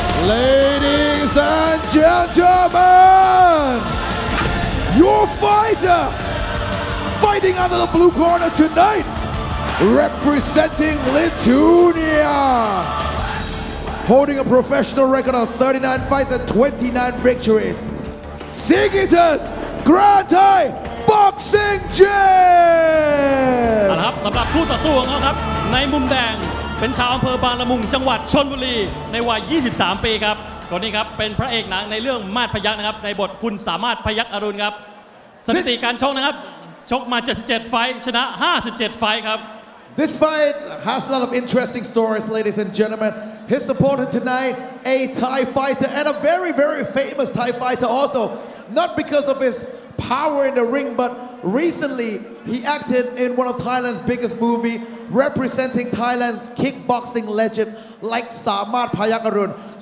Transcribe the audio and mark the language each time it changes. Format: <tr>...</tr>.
<en>Ladies and gentlemen, your fighter fighting under the blue corner tonight, representing Lithuania, holding a professional record of 39 fights and 29 victories, Sigitas Grantai Boxing Gym.</en> <th>นะครับสำหรับคู่ต่อสู้ของเขาครับในมุมแดงเป็นชาวอำเภอบางละมุงจังหวัดชลบุรีในวัย23ปีครับคนนี้ครับเป็นพระเอกหนังในเรื่องมาดพยัคฆ์นะครับในบทคุณสามารถพยัคฆ์อรุณครับสถิติการชกนะครับชกมา77ไฟชนะ57ไฟครับ</th> <en>This fight has a lot of interesting stories, ladies and gentlemen. His opponent tonight, a Thai fighter and a very, very famous Thai fighter also. Not because of his power in the ring, but recently he acted in one of Thailand's biggest movies, representing Thailand's kickboxing legend like Samat Payakarun.</en>